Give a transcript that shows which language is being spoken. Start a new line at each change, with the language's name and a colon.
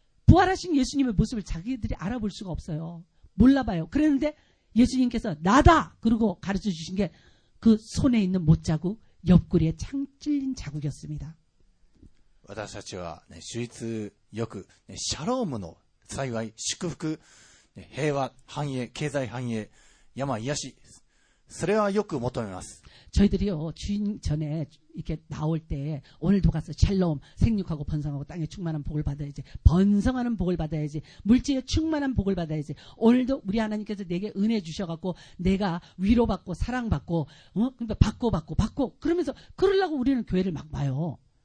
Korean: 부활하신 예수님의 모습을 자기들이 알아볼 수가 없어요. 몰라봐요. 그랬는데 예수님께서 나다 그러고 가르쳐 주신 게 그 손에 있는 못자국, 옆구리에 창 찔린 자국이었습니다.
Japanese: 私たちはね、主日よくね、シャロームの幸い、祝福、ね、平和、繁栄、経済繁栄、山癒し、それはよく求めます。
Korean: 저희들이요 주인 전에 이렇게 나올 때 오늘도 가서 샬롬 생육하고 번성하고 땅에 충만한 복을 받아야지 번성하는 복을 받아야지 물질에 충만한 복을 받아야지 오늘도 우리 하나님께서 내게 은혜 주셔갖고 내가 위로받고 사랑받고 어? 그러니까 받고 그러면서 그러려고 우리는 교회를 막 봐요.